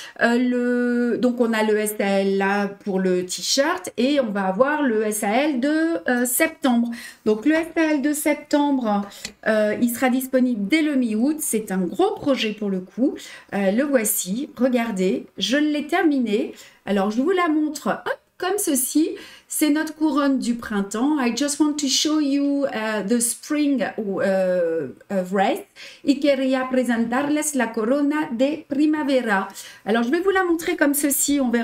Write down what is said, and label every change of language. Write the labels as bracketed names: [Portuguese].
[French] Donc, on a le SAL là pour le t-shirt et on va avoir le SAL de septembre. Donc, le SAL de septembre, il sera disponible dès le mi-août. C'est un gros projet pour le coup. Le voici, regardez, je l'ai terminé. Alors, je vous la montre, hop, comme ceci. C'est notre couronne du printemps. [English] I just want to show you the spring wreath. [Spanish] Y quería presentarles la corona de primavera. [French] Alors, je vais vous la montrer comme ceci.